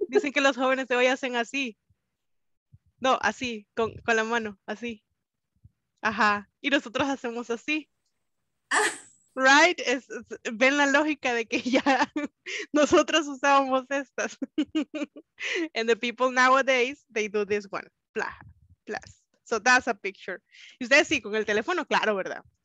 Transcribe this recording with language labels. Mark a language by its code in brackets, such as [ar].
[es] Dicen que los jóvenes de hoy hacen así. No, así, con la mano, así. Ajá. Y nosotros hacemos así. [en] Right? [es] ¿Ven la lógica de que ya nosotros usábamos estas? [en] And the people nowadays, they do this one. So that's a picture. [es] Y ustedes sí, con el teléfono, claro, ¿verdad?